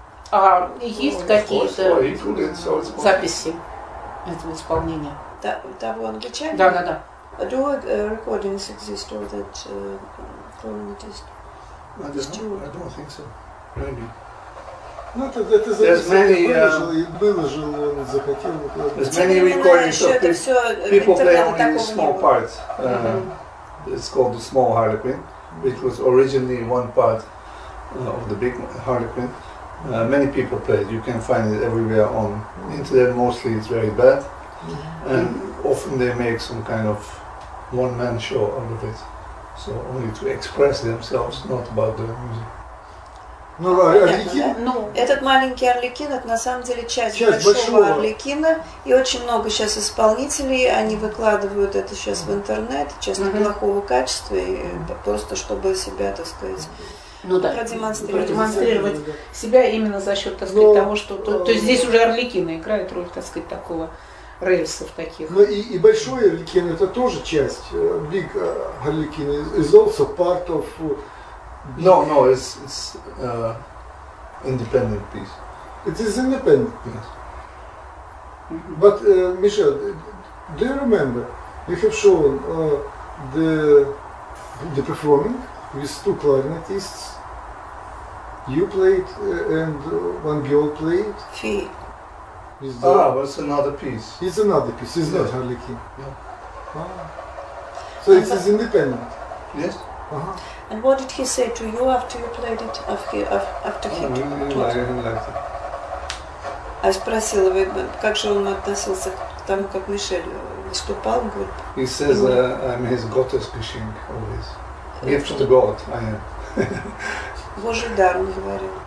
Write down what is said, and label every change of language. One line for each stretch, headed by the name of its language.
Russian: А есть какие-то записи этого исполнения? Того англичанина? Да.
English: Do recordings exist or that clarinetist? I don't think so. Maybe.
Russian: Ну, это записи выложил, он захотел.
English: There's many recordings of people playing only small parts. It's called the Small Harlequin, which was originally one part of the Big Harlequin. Many people play it. You can find it everywhere on the internet. Mostly it's very bad. Yeah. And often they make some kind of one-man show out of it. So only to express themselves, not about the music.
Russian: Ну, да, Арлекин. Ну, этот маленький Арлекин, это на самом деле часть большого Арлекина. И очень много сейчас исполнителей, они выкладывают это сейчас в интернет, часто плохого качества, и просто чтобы себя, так сказать, продемонстрировать себя именно за счет, так сказать, того, что... То есть здесь уже Арлекина играет роль, так сказать, такого рельсов таких. Ну и большой Арлекин, это тоже часть, Big Арлекин,
English: is also part of... No, it's independent piece. It is independent piece. Yes. But Michel, do you remember? You have shown the performing with two clarinetists. You played and one girl played. She. It's another piece. It's another piece. It's not Harlequin. Yeah. So it is independent. Yes. And what did he say to you after you played it? After he told you? I
Russian: спросила его, как же он относился к тому, как Мишель выступал, говорит.
English: He says, I'm his goddess machine always. Gift to God, I am.
Russian: Божий дар, он говорил.